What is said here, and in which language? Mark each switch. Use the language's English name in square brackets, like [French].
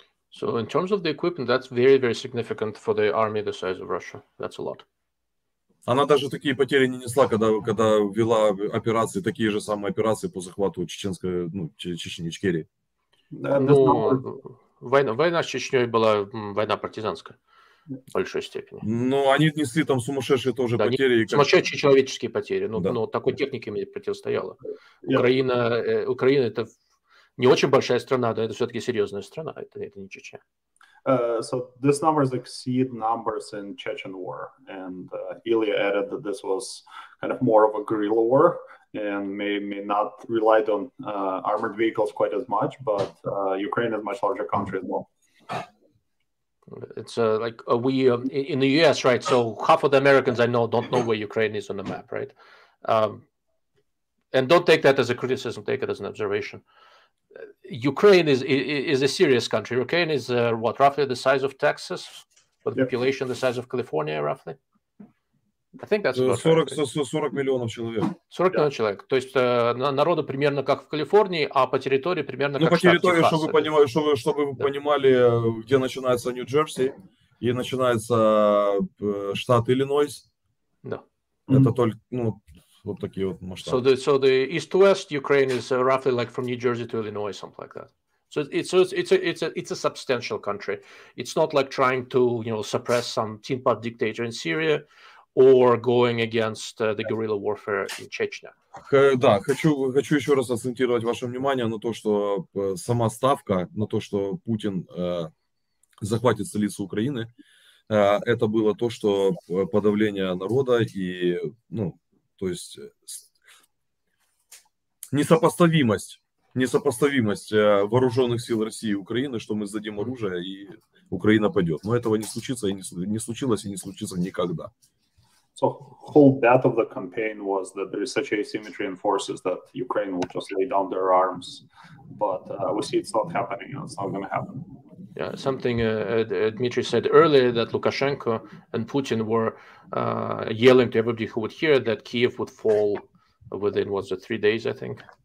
[English] So in terms of the equipment, that's very, very significant for the army the size of Russia. That's a lot. [Russian] Она даже такие потери не несла, когда вела операции, такие же самые операции по захвату чеченской, ну, Чечни, Ичкерии. Ну, война с Чечней была война партизанская в большой степени. Ну, они несли там сумасшедшие тоже потери. Сумасшедшие человеческие потери, но такой техникой мне противостояло. Украина это... Не очень большая страна, но это все-таки серьезная страна. Это не Чечня. [English] So these numbers exceed numbers in Chechen war, and Ilya added that this was kind of more of a guerrilla war and may not relied on armored vehicles quite as much, but Ukraine is a much larger country as well. It's like we in the U.S. right? So half of the Americans I know don't know where Ukraine is on the map, right? and don't take that as a criticism, take it as an observation. Ukraine is a serious country. Ukraine is what, roughly the size of Texas, but the population the size of California, roughly? I think that's 40 million [Russian] человек. [English] 40 million [Russian] человек. То есть народу примерно как в Калифорнии, а по территории примерно как по территории, чтобы вы понимали, чтобы вы понимали, где начинается Нью-Джерси и начинается штат Иллинойс. Да. Это только, ну, вот такие вот масштабы. [English] So the east to west Ukraine is roughly like from New Jersey to Illinois, something like that. So it's a substantial country. It's not like trying to, you know, suppress some tin pot dictator in Syria. Or going against the guerrilla warfare in Chechnya. [Russian] Да, хочу еще раз акцентировать ваше внимание на то, что сама ставка на то, что Путин захватит столицу Украины, это было то, что подавление народа и, ну, то есть несопоставимость вооруженных сил России и Украины, что мы сдадим оружие и Украина пойдет. Но этого не случится и не случилось никогда. [English] So whole bet of the campaign was that there is such asymmetry in forces that Ukraine will just lay down their arms, but we see it's not happening. It's not going to happen. Yeah, something Dmitry said earlier, that Lukashenko and Putin were yelling to everybody who would hear that Kyiv would fall within, was it 3 days, I think?